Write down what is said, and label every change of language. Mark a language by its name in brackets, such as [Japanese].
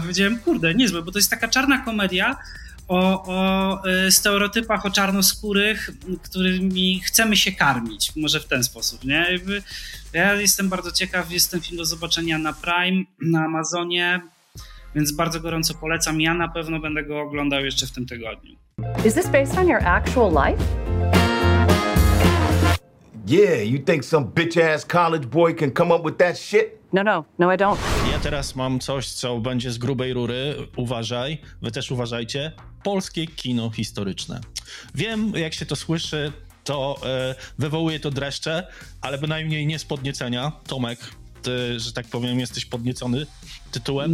[Polish] Powiedziałem, kurde, niezłe, bo to jest taka czarna komedia o stereotypach, o czarnoskórych, którymi chcemy się karmić, może w ten sposób, nie? Ja jestem bardzo ciekaw, jest ten film do zobaczenia na Prime, na Amazonie, więc bardzo gorąco polecam. Ja na pewno będę go oglądał jeszcze w tym tygodniu. [English] Is this based on your actual life? Yeah, you think some bitch ass college boy can come up with that shit? No, I don't. [Polish] Ja teraz mam coś, co będzie z grubej rury. Uważaj, wy też uważajcie. Polskie kino historyczne. Wiem, jak się to słyszy, to wywołuje to dreszcze, ale bynajmniej nie z podniecenia. Tomek, ty, że tak powiem, jesteś podniecony tytułem.